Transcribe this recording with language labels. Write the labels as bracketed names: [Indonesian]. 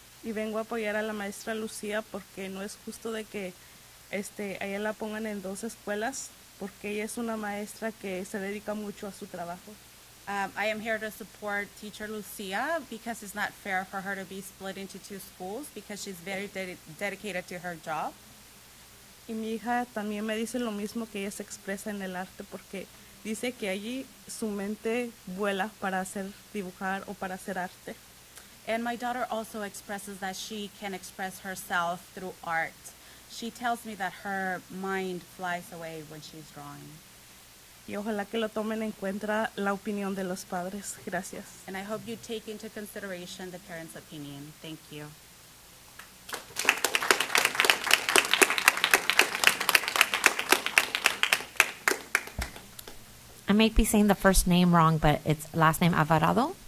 [Spanish] Y vengo a apoyar a la maestra Lucía porque no es justo de que ella la pongan en dos escuelas porque ella es una maestra que se dedica mucho a su trabajo. [English] I am here to support teacher Lucia because it's not fair for her to be split into two schools because she's very dedicated to her job. [Spanish] Y mi hija también me dice lo mismo, que ella se expresa en el arte porque dice que allí su mente vuela para hacer dibujar o para hacer arte. [English] And my daughter also expresses that she can express herself through art. She tells me that her mind flies away when she's drawing. [Spanish] Y ojalá que lo tomen en cuenta la opinión de los padres. Gracias. [English] And I hope you take into consideration the parents' opinion. Thank you. I may be saying the first name wrong, but it's last name Alvarado.